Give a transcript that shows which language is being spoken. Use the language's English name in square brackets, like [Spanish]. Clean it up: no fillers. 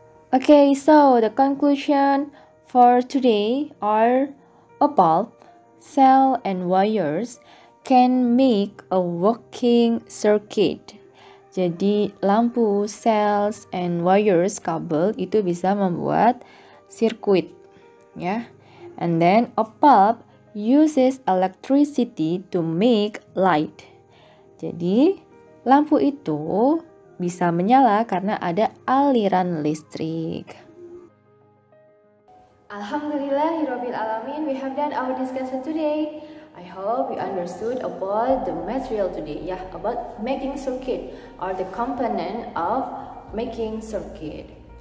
[English] Okay, so the conclusion for today are a bulb, cell and wires can make a working circuit. [Indonesian] Jadi lampu, [English] cells and wires, [Indonesian] kabel itu bisa membuat sirkuit, ya. Yeah. [English] And then a bulb uses electricity to make light. [Indonesian] Jadi lampu itu bisa menyala karena ada aliran listrik. [Arabic] Alhamdulillahirabbil alamin, [English] we have done our discussion today. I hope you understood about the material today. Yeah, about making circuit or the component of making circuit.